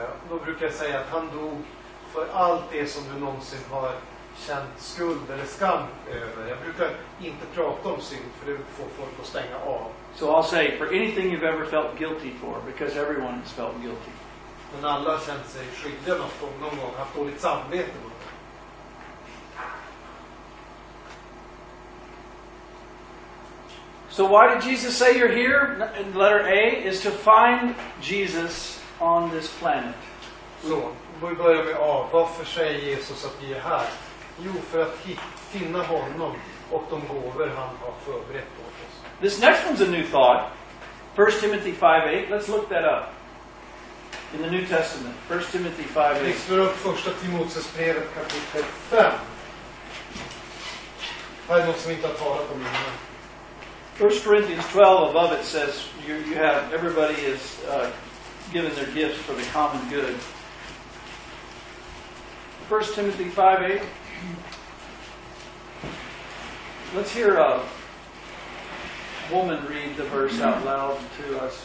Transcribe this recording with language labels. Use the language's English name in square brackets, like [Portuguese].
[Swedish] Då brukar jag säga att han dog för allt det som du någonsin har känt skuld eller skam över. Jag brukar inte prata om synd för det får folk att stänga av. [English] So I'll say for anything you've ever felt guilty for, because everyone has felt guilty. [Swedish] Men alla har känt sig skyldiga någon gång, haft dåligt samvete. [English] So why did Jesus say you're here? In letter A is to find Jesus on this planet. [Swedish] Så, vi börjar med A. Varför säger Jesus att vi är här? Jo, för att finna honom och de gåvor han har förberett åt oss. [English] This next one's a new thought. 1 Timothy 5:8. Let's look that up. In the New Testament. 1 Timothy 5:8. [Swedish] Vi slår upp första Timoteusbrevet kapitel 5. Här är något som inte har talat om innan. [English] 1 Corinthians 12 above it says you have, everybody is given their gifts for the common good. 1 Timothy 5:8. Let's hear a woman read the verse out loud to us.